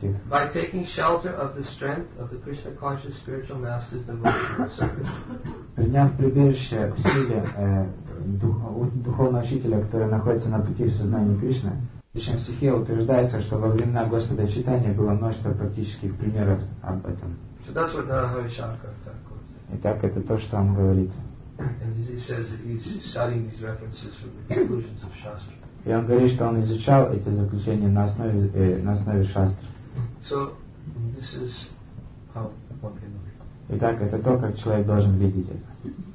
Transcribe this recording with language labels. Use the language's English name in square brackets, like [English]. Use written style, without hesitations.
[English] By taking shelter of the strength of the Krishna conscious spiritual master's devotional service. [Russian] Приняв прибежище в силе духовного учителя, который находится на пути в сознании Кришны. В следующем стихе утверждается, что во времена Господа Чайтаньи было множество практических примеров об этом. [English] So that's what Narahari Shankar Thakur says. [Russian] Итак, это то, что он говорит. [English] And he says that he's studying these references from the conclusions of Shastra. [Russian] И он говорит, что он изучал эти заключения на основе, на основе шастр. [English] So, this is how one can look. [Russian] Итак, это то, как человек должен видеть это.